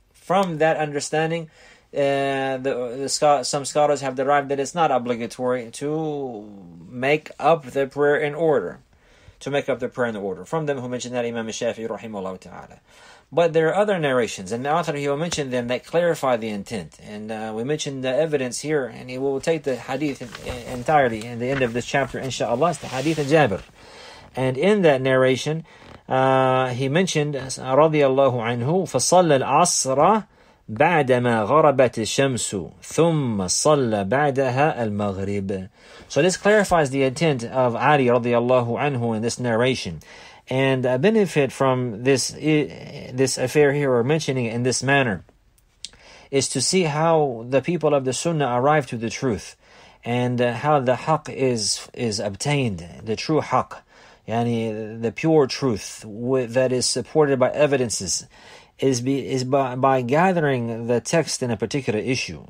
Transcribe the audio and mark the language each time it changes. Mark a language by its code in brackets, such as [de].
[en] From that understanding, some scholars have derived that it's not obligatory to make up the prayer in order. To make up the prayer in the order. From them who mentioned that, Imam Shafi'i rahimahullah ta'ala. But there are other narrations, and the author, he will mention them, that clarify the intent. And we mentioned the evidence here, and he will take the hadith entirely in the end of this chapter, inshallah. It's the hadith of Jabir. And in that narration, he mentioned, [ar] radiallahu anhu, فَصَلَّ الْعَصْرَ بَعْدَمَا غَرَبَتِ الشَّمْسُ ثُمَّ صَلَّ بَعْدَهَا الْمَغْرِبِ. [en] So this clarifies the intent of Ali radiallahu anhu in this narration. And a benefit from this affair here, or mentioning it in this manner, is to see how the people of the Sunnah arrive to the truth, and how the haqq is obtained, the true haqq, yani the pure truth that is supported by evidences, is by gathering the text in a particular issue.